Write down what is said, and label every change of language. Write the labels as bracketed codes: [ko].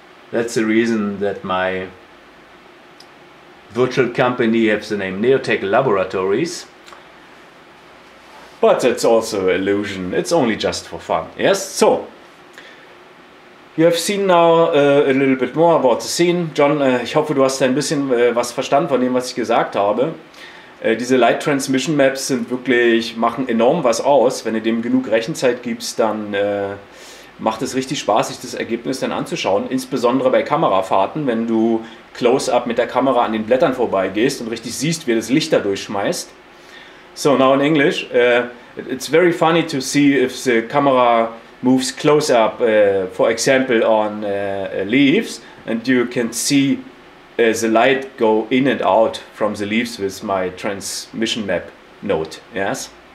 [en] That's the reason that my virtual company has the name Neotech Laboratories. But it's also an illusion. It's only just for fun. Yes? So, you have seen now a little bit more about the scene. [de] John, ich hoffe, du hast ein bisschen was verstanden von dem, was ich gesagt habe. Diese Light Transmission Maps sind wirklich, machen enorm was aus. Wenn du dem genug Rechenzeit gibst, dann macht es richtig Spaß, sich das Ergebnis dann anzuschauen. Insbesondere bei Kamerafahrten, wenn du Close-Up mit der Kamera an den Blättern vorbeigehst und richtig siehst, wie das Licht da durchschmeißt. [en] So, now in English. It's very funny to see if the camera moves close-up, for example, on leaves, and you can see the light go in and out from the leaves with my transmission map node, yes?